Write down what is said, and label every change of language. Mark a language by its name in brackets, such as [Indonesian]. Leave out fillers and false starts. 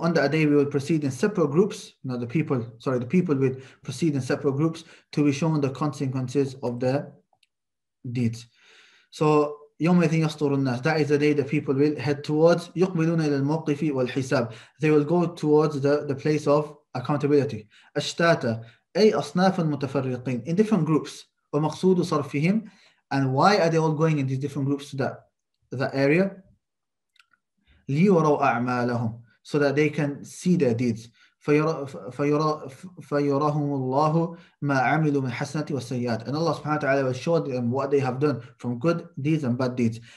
[English] On that day, we will proceed in separate groups. Now the people will proceed in separate groups to be shown the consequences of their deeds. So, [Arabic] يَوْمَيْذِي يَصْطُرُ النَّاسُ, [English] that is the day the people will head towards, [Arabic] يُقْبِلُونَ إِلَى الْمَوْقِفِ وَالْحِسَابِ. [English] They will go towards the place of accountability. [Arabic] أَشْتَاتًا, أي أَصْنَافًا مُتَفَرِّقِينَ, [English] in different groups. [Arabic] وَمَقْصُودُ صَرْفِهِمْ, [English] and why are they all going in these different groups to that area? [Arabic] لِيُرَوْا أَعْمَالَهُمْ, [English] so that they can see their deeds. [Arabic] فَيُرَاهُمُ اللَّهُ مَا عَمِلُوا مِنْ حَسَنَةِ وَالسَّيَّادِ. [English] And Allah subhanahu wa ta'ala will show them what they have done from good deeds and bad deeds.